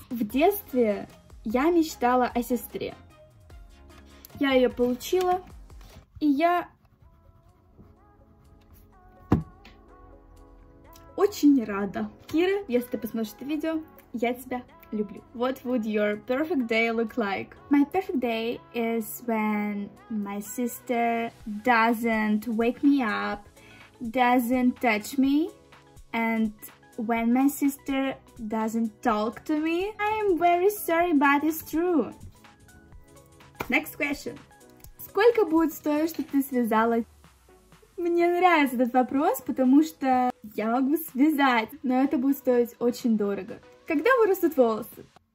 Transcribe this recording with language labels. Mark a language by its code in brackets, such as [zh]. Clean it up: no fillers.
[ru] В детстве я мечтала о сестре. Я ее получила, и я очень рада. Кира, если ты посмотришь это видео, я тебя люблю. [en] What would your perfect day look like? My perfect day is when my sister doesn't wake me up, doesn't touch me, and when my sister doesn't talk to me. I'm very sorry, but it's true. Next question. [ru] Сколько будет стоить, чтобы ты связала? Мне нравится этот вопрос, потому что я могу связать, но это будет стоить очень дорого. Когда вырастут волосы?